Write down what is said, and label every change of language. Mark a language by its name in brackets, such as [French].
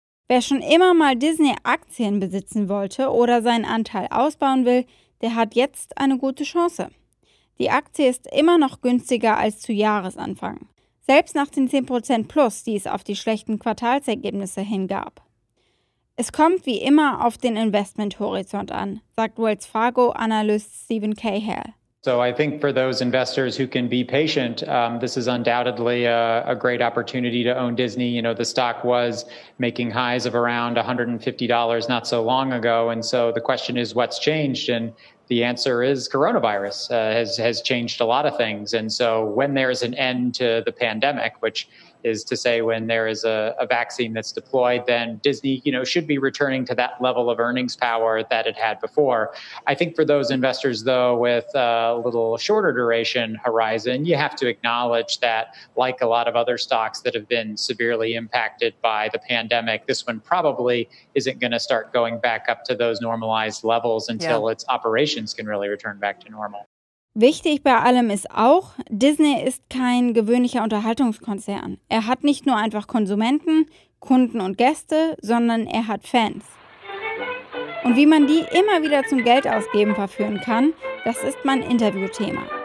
[German] Wer schon immer mal Disney-Aktien besitzen wollte oder seinen Anteil ausbauen will, der hat jetzt eine gute Chance. Die Aktie ist immer noch günstiger als zu Jahresanfang. Selbst nach den 10% plus, die es auf die schlechten Quartalsergebnisse hingab. Es kommt wie immer auf den Investmenthorizont an, sagt Wells Fargo-Analyst Stephen Cahill. [English] So I think for those investors who can be patient, this is undoubtedly a great opportunity to own Disney. You know, the stock was making highs of around $150 not so long ago. And so the question is, what's changed? And the answer is coronavirus has changed a lot of things. And so when there is an end to the pandemic, which is to say when there is a vaccine that's deployed, then Disney, you know, should be returning to that level of earnings power that it had before. I think for those investors, though, with a little shorter duration horizon, you have to acknowledge that, like a lot of other stocks that have been severely impacted by the pandemic, this one probably isn't going to start going back up to those normalized levels until its operations can really return back to normal. [German] Wichtig bei allem ist auch, Disney ist kein gewöhnlicher Unterhaltungskonzern. Er hat nicht nur einfach Konsumenten, Kunden und Gäste, sondern er hat Fans. Und wie man die immer wieder zum Geldausgeben verführen kann, das ist mein Interviewthema.